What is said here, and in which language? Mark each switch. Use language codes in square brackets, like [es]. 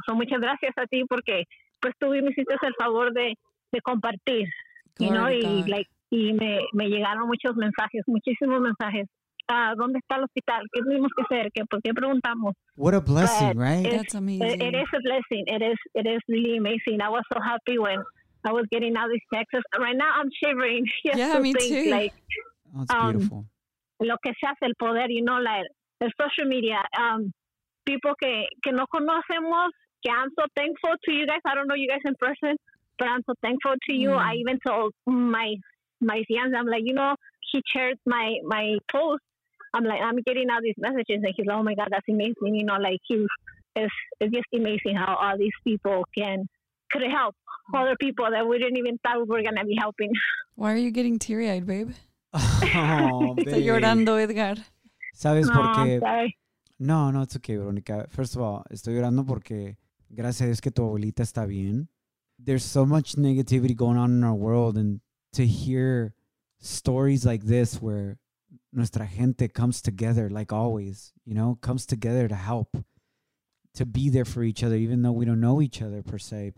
[es] So, muchas gracias a ti porque pues tú me hiciste el favor de compartir, [en] you know, [es] y me llegaron muchos mensajes, muchísimos mensajes. ¿Dónde está el hospital? ¿Qué tuvimos que hacer? ¿Por qué preguntamos? [en] What a blessing, but right? That's amazing. It is a blessing. It is really amazing. I was so happy when I was getting all these texts. Right now I'm shivering. Yeah, me too. Like, that's beautiful. [es] Lo que se hace el poder, [en] you know, like social media. People [es] que no conocemos, que [en] I'm so thankful to you guys. I don't know you guys in person, but I'm so thankful to you. I even told my fiance, I'm like, you know, he shared my post. I'm like, I'm getting all these messages, and he's like, oh my God, that's amazing. You know, like, it's just amazing how all these people could help other people that we didn't even thought we were going to be helping. Why are you getting teary-eyed, babe? Oh, babe. [es] Llorando, Edgar. ¿Sabes por qué? [en] Sorry. No, it's okay, Veronica. First of all, [es] estoy llorando porque gracias a Dios que tu abuelita está bien. [en] There's so much negativity going on in our world, and to hear stories like this where [es] nuestra gente [en] comes together, like always, you know, comes together to help, to be there for each other, even though we don't know each other per se.